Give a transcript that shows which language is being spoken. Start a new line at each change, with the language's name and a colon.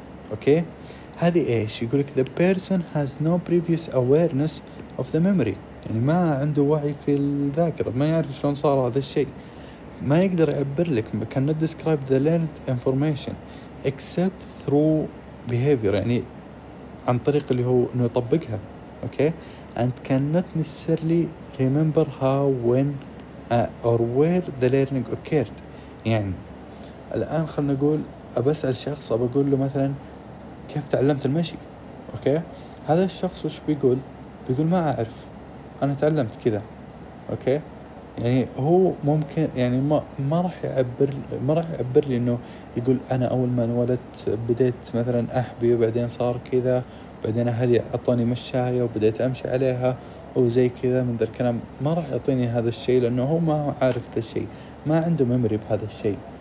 Arabic: اوكي هذه ايش يقول لك,
English: the person has no previous awareness of the memory,
Arabic: يعني ما عنده وعي في الذاكره, ما يعرف شلون صار هذا الشيء, ما يقدر يعبر لك,
English: cannot describe the learned information except through behavior,
Arabic: يعني عن طريق اللي هو انه يطبقها. اوكي
English: and cannot necessarily remember how when or where the learning occurred.
Arabic: يعني الان خلنا نقول ابسال شخص ابقول له مثلا كيف تعلمت المشي. اوكي هذا الشخص وش بيقول, بيقول ما اعرف انا تعلمت كذا. اوكي يعني هو ممكن يعني ما راح يعبر لي انه يقول انا اول ما انولدت بديت مثلا احبي وبعدين صار كذا, بعدين اهلي اعطوني مشاية وبديت امشي عليها وزي كذا من ذا الكلام, ما راح يعطيني هذا الشيء لانه هو ما عارف هذا الشيء, ما عنده ميموري بهذا الشيء.